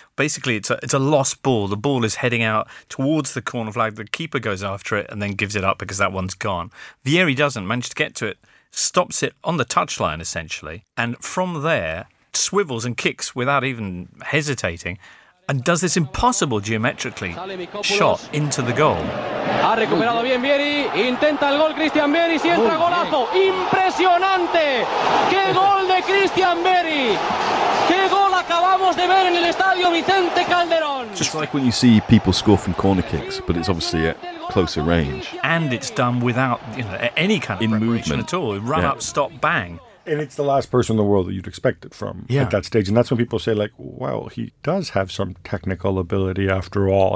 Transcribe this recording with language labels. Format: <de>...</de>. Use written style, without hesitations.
<en>Basically, it's a lost ball. The ball is heading out towards the corner flag. The keeper goes after it and then gives it up because that one's gone. Vieri doesn't manage to get to it. Stops it on the touchline, essentially, and from there, swivels and kicks without even hesitating and does this impossible geometrically shot into the goal.</en> <es>Ha recuperado bien Vieri, intenta el gol Christian Vieri, si entra golazo, impresionante! ¡Qué gol de Christian Vieri! ¡Qué gol acabamos de ver en el Estadio Vicente Calderón.</es> <en>Just like when you see people score from corner kicks, but it's obviously at closer range. And it's done without, you know, any kind of preparation movement at all. Run up, stop, bang. And it's the last person in the world that you'd expect it from at that stage. And that's when people say, like, well, he does have some technical ability after all.</en>